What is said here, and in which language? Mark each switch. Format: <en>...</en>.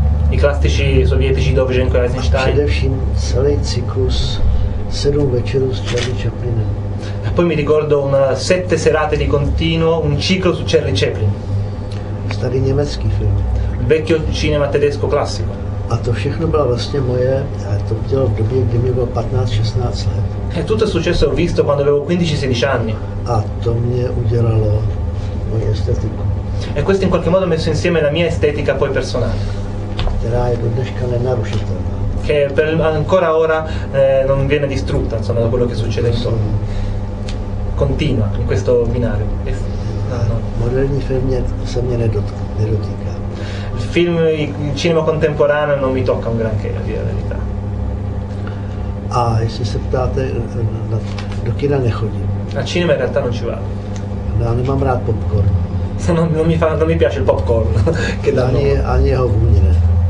<cs>I klasiční sovětští Dovženko, Eisenstein. A především celý cyklus Sedm večerů s Charlie Chaplinem.</cs> <it>A poi mi ricordo una sette serate di continuo, un ciclo su Charlie Chaplin.</it> <cs>Starý německý film.</cs> <it>Vecchio cinema tedesco classico.</it> <cs>A to všechno bylo vlastně moje, a to bylo v době, kdy mi bylo 15-16 let.</cs> <it>E tutto è successo visto quando avevo 15-16 anni.</it> <cs>A to mě udělalo moje estetiku.</cs> <it>E questo in qualche modo messo insieme la mia estetica poi personale.</it> <cs>Která je do dneška nenarušitelná.</cs> <it>Che per ancora ora non viene distrutta, insomma, da quello che succede insomma. Continua in questo binario.</it> <cs>Moderní film se mě nedotýká.</cs> <it>Film, il cinema contemporaneo non mi tocca un granché, a dire la verità.</it> <cs>A jestli se ptáte, do kina nechodím.</cs> <it>A cinema in realtà non ci vado.</it> <cs>No, nemám rád popcorn.</cs> <it>Non mi piace il popcorn. Che danno.</it> <cs>Ani jeho vůni ne.</cs>